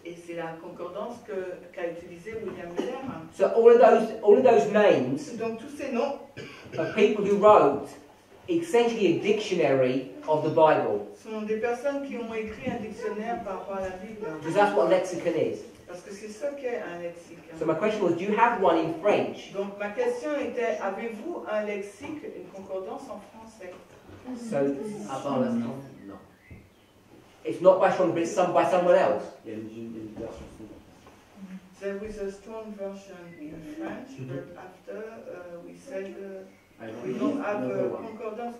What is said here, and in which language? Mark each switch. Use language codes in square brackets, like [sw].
[fr] Et c'est la concordance qu'a utilisé William Miller. [en] So all of those names. [fr] Donc tous ces noms. [en] Of people who wrote essentially a dictionary of the Bible. [fr] Sont des personnes qui ont écrit un dictionnaire par rapport à la Bible. [en] Because that's what a lexicon is. [fr] Parce que c'est ça qu'est un lexique. [en] So my question was, do you have one in French? [fr] Donc ma question était, avez-vous un lexique, une concordance en français? [en] So, [fr] à part la non. Non. [en] It's not by Strong, but it's by someone else. [fr] Il y a une version française. [en] There was a Strong version in French, but after we said we don't have a concordance.